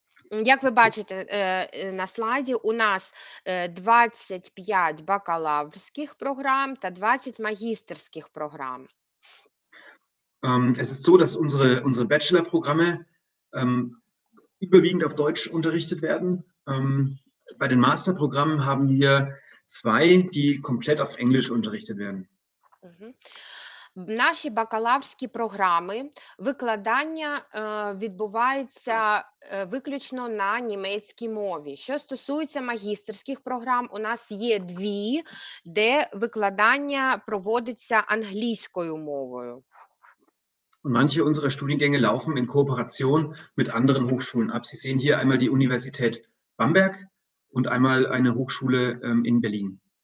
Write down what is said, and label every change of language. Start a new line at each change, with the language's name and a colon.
Ukrainian: Як ви бачите на слайді, у нас 25 бакалаврських програм та 20 магістерських програм.
German: Es ist so, dass unsere Bachelor-Programme überwiegend auf Deutsch unterrichtet werden. Bei den Master-Programmen haben wir 2, die komplett auf Englisch unterrichtet werden.
Ukrainian: Наші бакалаврські програми викладання відбувається виключно на німецькій мові. Що стосується магістерських програм, у нас є 2, де викладання проводиться англійською мовою.
German: Und manche unserer Studiengänge laufen in Kooperation mit anderen Hochschulen ab. Sie sehen hier einmal die Universität Bamberg und einmal eine Hochschule in Berlin.